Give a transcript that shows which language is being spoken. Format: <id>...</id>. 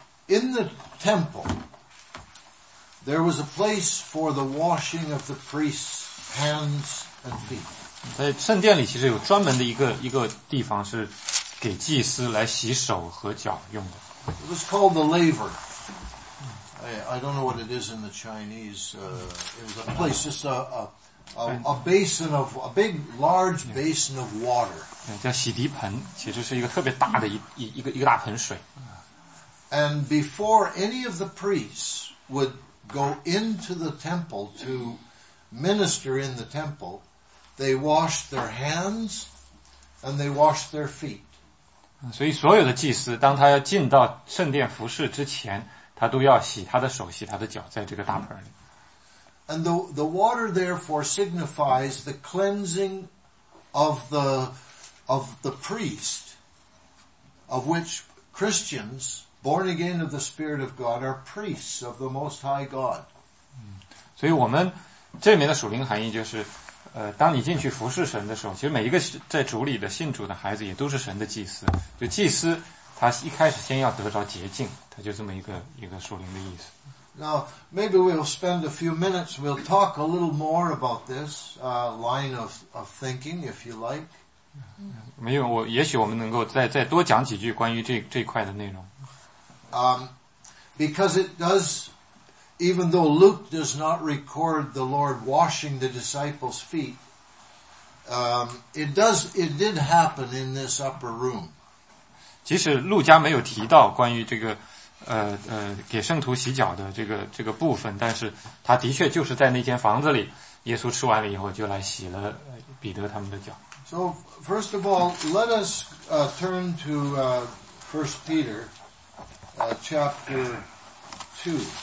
<en>In the temple, there was a place for the washing of the priest's hands and feet.</en> <zh>在圣殿里其实有专门的一个地方是给祭司来洗手和脚用的。</zh> <en>It was called the laver. I don't know what it is in the Chinese. It was a place, just a basin of, a big, large basin of water.</en> <zh>叫洗涤盆，其实是一个特别大的一个大盆水。</zh> <en>And before any of the priests would go into the temple to minister in the temple, they washed their hands and they washed their feet.</en> <zh>所以所有的祭司，当他要进到圣殿服事之前，他都要洗他的手，洗他的脚，在这个大盆里。</zh> <en>And the water therefore signifies the cleansing of the priest, of which Christians born again of the Spirit of God are priests of the Most High God.</en> <zh>所以我们这里面的属灵含义就是，当你进去服侍神的时候，其实每一个在主里的信主的孩子也都是神的祭司。就祭司他一开始先要得着洁净，他就这么一个属灵的意思。</zh> <en>Now, maybe we'll spend a few minutes, we'll talk a little more about this line of thinking, if you like.</en> <zh>没有，也许我们能够再多讲几句关于这块的内容。</zh> <en>Because it does, even though Luke does not record the Lord washing the disciples' feet, it did happen in this upper room.</en> <zh>即使路加没有提到关于这个给圣徒洗脚的这个部分，但是他的确就是在那间房子里，耶稣吃完了以后就来洗了彼得他们的脚。</zh> <en>So first of all, let us turn to First Peter chapter 2.</en>